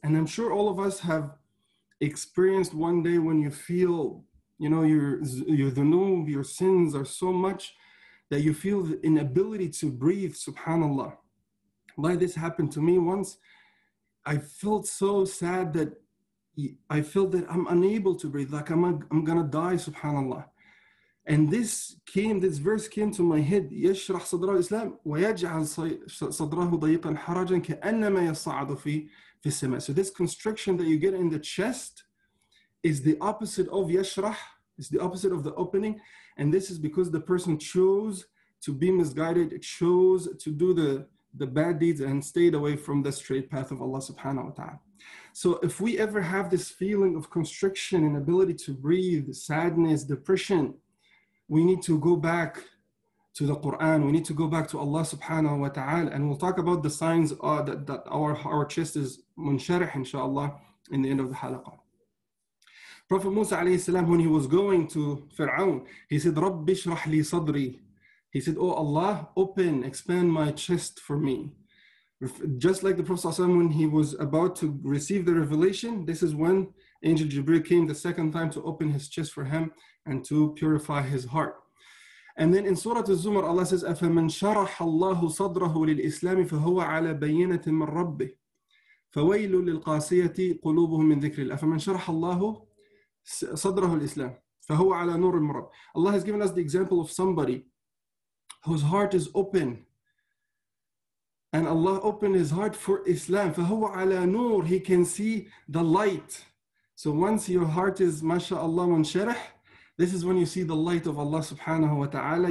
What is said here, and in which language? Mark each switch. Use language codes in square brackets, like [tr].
[en] And I'm sure all of us have experienced one day when you feel, you know, your dhunub, your sins are so much that you feel the inability to breathe, subhanAllah. Like this happened to me once, I felt so sad that I felt that I'm unable to breathe, like I'm gonna die, subhanAllah. And this verse came to my head, [ar] يَشْرَحْ صَدْرَهُ الْإِسْلَامِ وَيَجْعَلْ صَدْرَهُ ضَيِّقًا حَرَجًا كَأَنَّمَا يَصَّعَدُ فِي السَّمَاءِ. [en] So this constriction that you get in the chest is the opposite of يَشْرَحْ, it's the opposite of the opening, and this is because the person chose to be misguided, chose to do the bad deeds and stayed away from the straight path of Allah subhanahu wa ta'ala. So if we ever have this feeling of constriction, inability to breathe, sadness, depression, we need to go back to the Quran. We need to go back to Allah subhanahu wa ta'ala. And we'll talk about the signs that our chest is munsharih, inshallah, in the end of the halaqah. Prophet Musa alayhi salam, when he was going to Fir'aun, he said, [ar] Rabbi shrah li sadri. [en] He said, oh Allah, open, expand my chest for me. Just like the Prophet ﷺ, when he was about to receive the revelation, this is when Angel Jibreel came the second time to open his chest for him and to purify his heart. And then in Surah Az-Zumar, Allah says, [ar] أَفَمَنْ شَرَحَ اللَّهُ صَدْرَهُ لِلْإِسْلَامِ فَهُوَ عَلَى بَيِّنَةٍ مِّن رَبِّهِ فَوَيْلٌ لِلْقَاسِيَةِ قُلُوبُهُمْ مِنْ ذِكْرِ اللَّهِ أَفَمَنْ شَرَحَ اللَّهُ صَدْرَهُ الْإِسْلَامِ فَهُوَ عَلَى نُورٍ مِّن رَبِّهِ. [en] Allah has given us the example of somebody whose heart is open, and Allah opened his heart for Islam. [ar] فَهُوَ عَلَى نُور, [en] he can see the light. So once your heart is mashallah munsharih, this is when you see the light of Allah subhanahu wa ta'ala.